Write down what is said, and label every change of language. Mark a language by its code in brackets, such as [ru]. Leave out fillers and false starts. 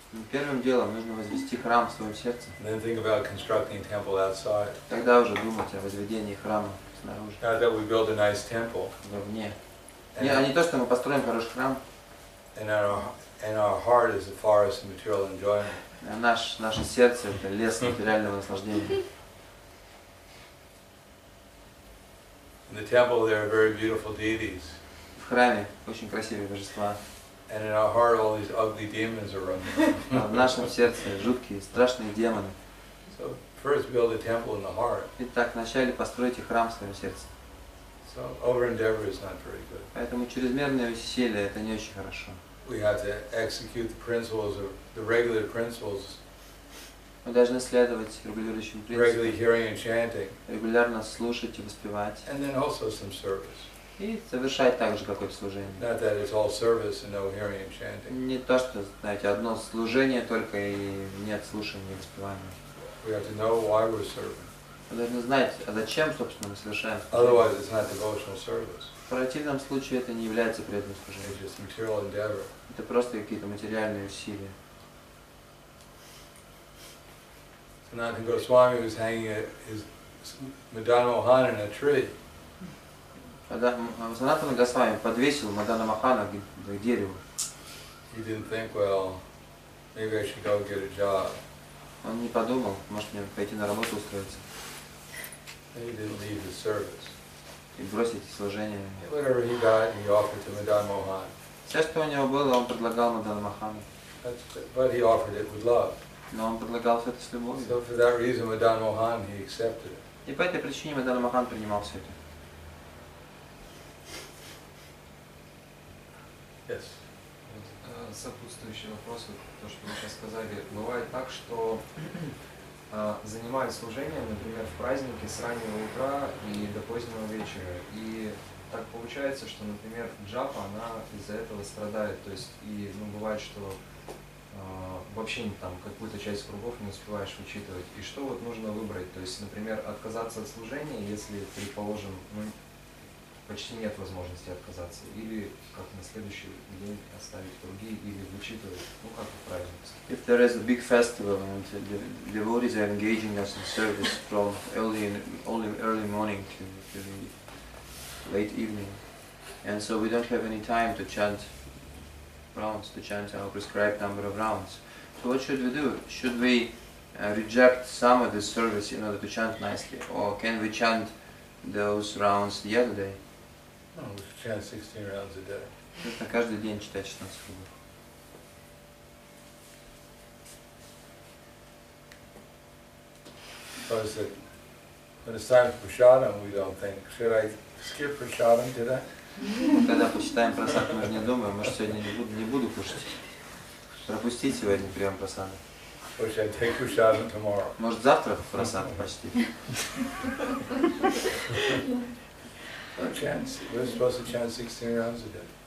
[ru] Первым делом нужно возвести храм в своем сердце. [en] Then think about constructing a temple outside. [ru] Тогда уже думать о возведении храма снаружи. [en] Not that we build a nice temple. [ru] Вовне. Не, а не то, что мы построим хороший храм. [en] And our heart is the forest of material enjoyment. [ru] А наше сердце это лес материального наслаждения. [en] In the temple there are very beautiful deities. [ru] В храме очень красивые божества. [en] And in our heart, all these ugly demons are running. [ru] В нашем сердце жуткие, страшные демоны. [en] So first, build a temple in the heart. [ru] Итак, вначале постройте храм в своем сердце. [en] So over-endeavor is not very good. [ru] Поэтому чрезмерное усилие это не очень хорошо. [en] We have to execute the principles of the regular principles. [ru] Мы должны следовать регулирующим принципам. [en] Regularly hearing and chanting. [ru] Регулярно слушать и воспевать. [en] And then also some service. [ru] И совершать также какое-то служение. [en] Not that it's all service and no hearing and chanting. [ru] Не то, что, знаете, одно служение только и нет слушания и воспевания. [en] We have to know why we're serving. [ru] Мы должны знать, а зачем, собственно, мы совершаем. [en] Otherwise, it's not devotional service. [ru] В противном случае это не является преданным служением. [en] It's just material endeavor. [ru] Это просто какие-то материальные усилия. [en] Sanatana Goswami was hanging his Madan Mohan in a tree. [ru] Санатана Госвами подвесил Мадана Махана к дереву. [en] He didn't think, well, maybe I should go get a job. [ru] Он не подумал, может мне пойти на работу устроиться. [en] He didn't leave his service. [ru] И бросить служение. [en] Whatever he got, he offered to Madan Mohan. [ru] Все, что у него было, он предлагал Мадана Махану. [en] But he offered it with love. [ru] Но он предлагал все это с любовью. [en] So for that reason, Madan Mohan, he accepted it. [ru] И по этой причине Мадан Махан принимал все это. [en] Yes. [ru] Сопутствующий вопрос, вот то, что вы сейчас сказали. Бывает так, что занимаясь служением, например, в празднике с раннего утра и до позднего вечера, и так получается, что, например, джапа, она из-за этого страдает. То есть, и ну, бывает, что вообще там какую-то часть кругов не успеваешь учитывать. И что вот нужно выбрать? То есть, например, отказаться от служения, если, предположим, ну, почти нет возможности отказаться, или как на следующий день оставить круги, или учитывать, ну как правильно. [en] If there is a big festival and the devotees are engaging us in service from early morning to the late evening, and so we don't have any time to chant rounds, to chant our prescribed number of rounds, so what should we do? Should we reject some of the service in order to chant nicely, or can we chant those rounds the other day? No, we should chant 16 rounds a day. [ru] Каждый день читать 16 кругов. [en] Because when it's time for prasadam, we don't think, should I skip prasadam today? [ru] Когда почитаем прасад, мы не думаем, может сегодня не буду кушать. Пропустить сегодня прием прасада. [en] Or should I take prasadam tomorrow? [ru] Может завтра прасад почтить? [en] We're supposed to chant 16 rounds a day.